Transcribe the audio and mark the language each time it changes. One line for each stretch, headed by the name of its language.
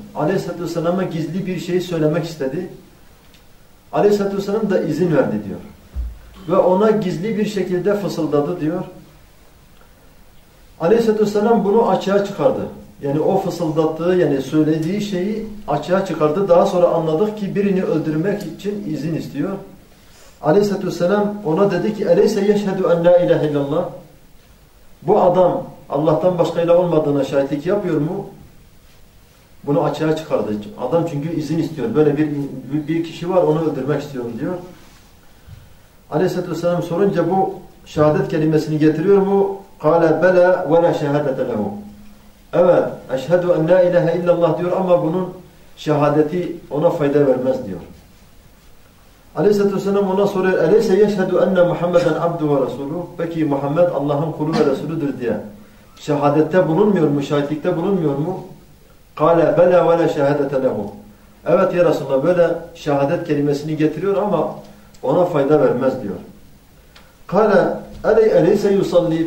Turkish: Aleyhisselatü Vesselam'a gizli bir şey söylemek istedi. Aleyhisselatü Vesselam da izin verdi diyor. Ve ona gizli bir şekilde fısıldadı diyor. Aleyhisselatü Vesselam bunu açığa çıkardı. Yani o fısıldattığı, yani söylediği şeyi açığa çıkardı. Daha sonra anladık ki birini öldürmek için izin istiyor. Aleyhisselatü Vesselam ona dedi ki
Arabic: اَلَيْسَ يَشْهَدُ اَنْ لَا اِلَٰهِ اِلَّا اللّٰهِ.
Turkish: Bu adam Allah'tan başka ilah olmadığına şahitlik yapıyor mu? Bunu açığa çıkardı. Adam çünkü izin istiyor. Böyle bir kişi var, onu öldürmek istiyorum diyor. Aleyhisselatü Vesselam sorunca bu şehadet kelimesini getiriyor mu?
Arabic: قَالَ بَلَا وَلَا شَهَدَةَ لَهُ.
Turkish: Evet,
Arabic: اَشْهَدُ اَنْ لَا اِلَٰهَ اِلَّا اللّٰهِ
Turkish: diyor ama bunun şehadeti ona fayda vermez diyor. Aleyhisselatü Vesselam ona soruyor,
Arabic: اَلَيْسَ يَشْهَدُ اَنَّ مُحَمَّدًا عَبْدُ وَرَسُولُهُ.
Turkish: Peki Muhammed Allah'ın kulu ve Resulüdür diye. Şehadette bulunmuyor mu, şahitlikte bulunmuyor mu?
Arabic: قَالَ بَلَا وَلَا شَهَدَةَ لَهُ.
Turkish: Evet ya Resulullah, böyle şehadet kelimesini getiriyor ama ona fayda vermez diyor.
Arabic: قَالَ اَلَيْسَ يُصَلِّي.